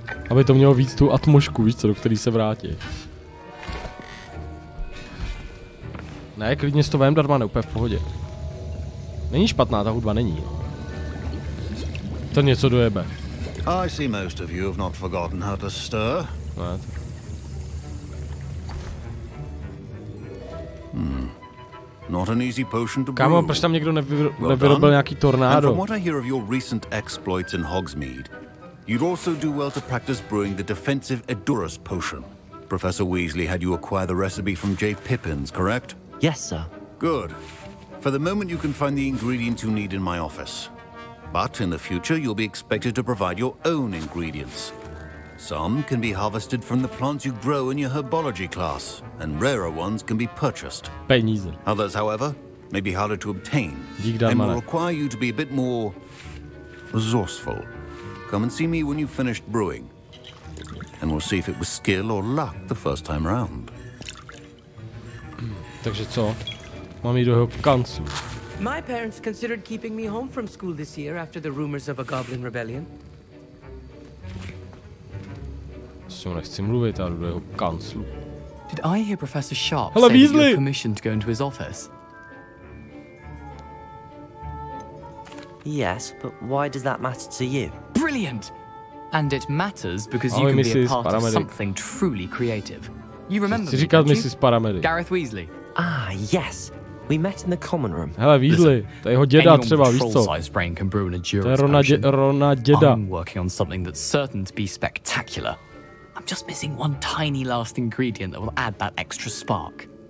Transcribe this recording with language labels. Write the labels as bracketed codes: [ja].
[cs] Aby to mělo víc tu atmosféru, víš co, do který se vrátí. Ne, klidně s to vem darma, ne, úplně v pohodě. Není špatná, ta hudba není. To něco dojebe. [en] I see most of you have not forgotten how to stir. [cs] Ne. [en] Not an easy potion to brew. [cs] Kámo, proč tam někdo nevyrobil nějaký tornádo? [en] From what I hear of your recent exploits in Hogsmeade, you'd also do well to practice brewing the defensive Edurus potion. Professor Weasley had you acquire the recipe from Jay Pippins, correct? Yes, sir. Good. For the moment, you can find the ingredients you need in my office. But in the future, you'll be expected to provide your own ingredients. Some can be harvested from the plants you grow in your herbology class, and rarer ones can be purchased. [cs] Peníze. [en] Others, however, may be harder to obtain. [cs] Díkdám, [en] and will require you to be a bit more resourceful. Come and see me when you've finished brewing, and we'll see if it was skill or luck the first time round. [cs] Takže co? Mám jít do jeho kanclu. [en] My parents considered keeping me home from school this year after the rumors of a goblin rebellion. [cs] S ním nechci mluvit, já jdu do jeho kanclu. [en] Did I hear Professor Sharp say you have permission to go into his office? Yes, but why does that matter to you? Brilliant! And it matters because you can be a part of something truly creative. You remember me, don't you? Gareth Weasley. Ah, yes. We met in the common room. [cs] Hele, Weasley, to jeho děda třeba, víš co? To je Rona děda. [en] I'm working on something that's certain to be spectacular. I'm just missing one tiny last ingredient that will add that extra spark.